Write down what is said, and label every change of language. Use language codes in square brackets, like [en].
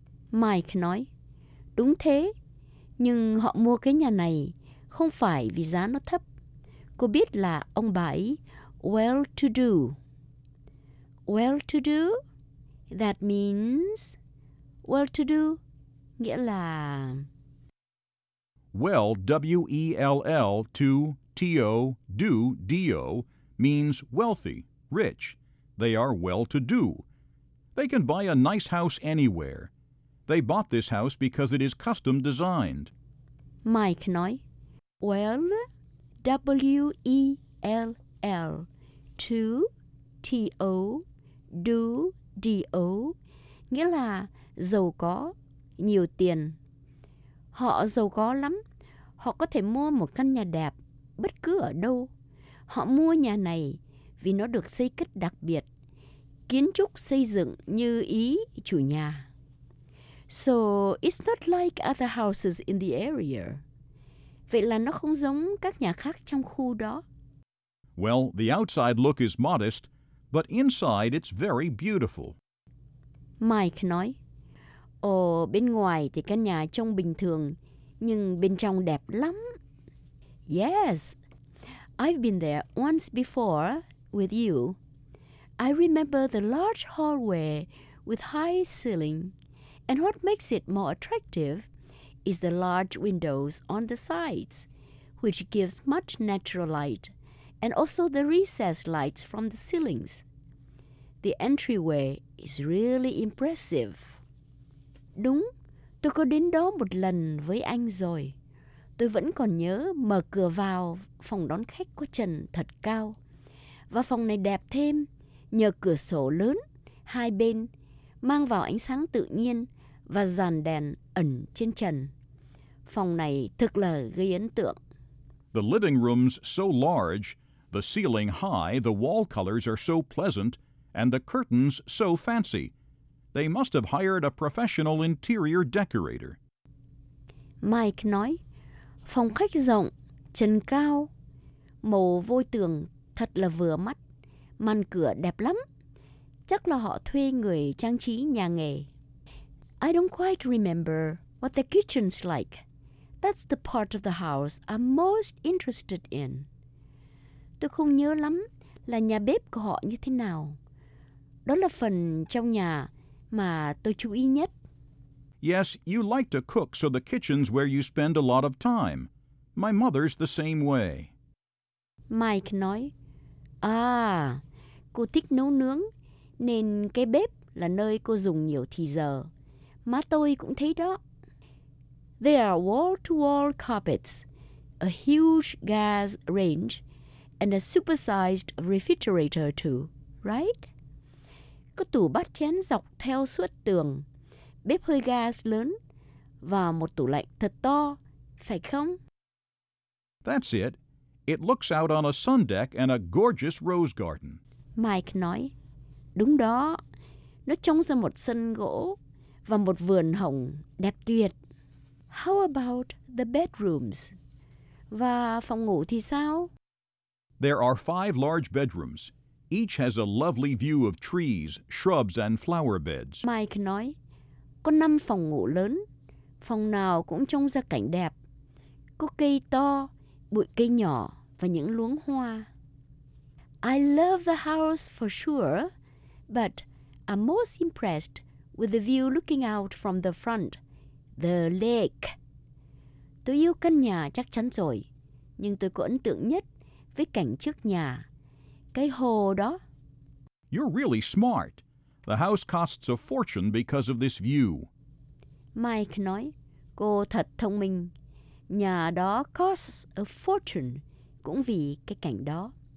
[vi] Mike nói, đúng thế, nhưng họ mua cái nhà này không phải vì giá nó thấp. Cô biết là ông bà ấy [en] well-to-do. Well-to-do, that means well-to-do, [vi] nghĩa là [en] well, W-E-L-L, to T-O, do, D-O, means wealthy, rich. They are well-to-do. They can buy a nice house anywhere. They bought this house because it is custom designed. [vi] Mike nói, [en] well, W-E-L-L, to, T-O, do, D-O, [vi] nghĩa là giàu có, nhiều tiền. Họ giàu có lắm. Họ có thể mua một căn nhà đẹp bất cứ ở đâu. Họ mua nhà này vì nó được xây cất đặc biệt. Kiến trúc xây dựng như ý chủ nhà. [en] So, it's not like other houses in the area. [vi] Vậy là nó không giống các nhà khác trong khu đó. [en] Well, the outside look is modest, but inside it's very beautiful. [vi] Mike nói, ồ, bên ngoài thì căn nhà trông bình thường, nhưng bên trong đẹp lắm. [en] Yes, I've been there once before with you. I remember the large hallway with high ceiling, and what makes it more attractive is the large windows on the sides, which gives much natural light, and also the recessed lights from the ceilings. The entryway is really impressive. [vi] Đúng, tôi có đến đó một lần với anh rồi. Tôi vẫn còn nhớ mở cửa vào phòng đón khách có trần thật cao. Và phòng này đẹp thêm nhờ cửa sổ lớn hai bên mang vào ánh sáng tự nhiên và dàn đèn ẩn trên trần. Phòng này thực là gây ấn tượng. [en] The living room's so large, the ceiling high, the wall colors are so pleasant, and the curtains so fancy. They must have hired a professional interior decorator. [vi] Mike nói, phòng khách rộng, trần cao, màu vôi tường thật là vừa mắt, màn cửa đẹp lắm. Chắc là họ thuê người trang trí nhà nghề. [en] I don't quite remember what the kitchen's like. That's the part of the house I'm most interested in. [vi] Tôi không nhớ lắm là nhà bếp của họ như thế nào. Đó là phần trong nhà mà tôi chú ý nhất. [en] Yes, you like to cook, so the kitchen's where you spend a lot of time. My mother's the same way. [vi] Mike nói, à, cô thích nấu nướng, nên cái bếp là nơi cô dùng nhiều thì giờ. Má tôi cũng thấy đó. [en] There are wall-to-wall carpets, a huge gas range, and a supersized refrigerator too, right? [vi] Có tủ bát chén dọc theo suốt tường, bếp hơi gas lớn, và một tủ lạnh thật to, phải không? [en] That's it. It looks out on a sun deck and a gorgeous rose garden. [vi] Mike nói, đúng đó. Nó trông ra một sân gỗ và một vườn hồng đẹp tuyệt. [en] How about the bedrooms? [vi] Và phòng ngủ thì sao? [en] There are 5 large bedrooms. Each has a lovely view of trees, shrubs, and flower beds. [vi] Mike nói, có 5 phòng ngủ lớn. Phòng nào cũng trông ra cảnh đẹp. Có cây to, bụi cây nhỏ và những luống hoa. [en] I love the house for sure, but I'm most impressed with the view looking out from the front. The lake. [vi] Tôi yêu căn nhà chắc chắn rồi, nhưng tôi có ấn tượng nhất với cảnh trước nhà, cái hồ đó. [en] You're really smart. The house costs a fortune because of this view. [vi] Mike nói, cô thật thông minh. Nhà đó [en] costs a fortune [vi] cũng vì cái cảnh đó.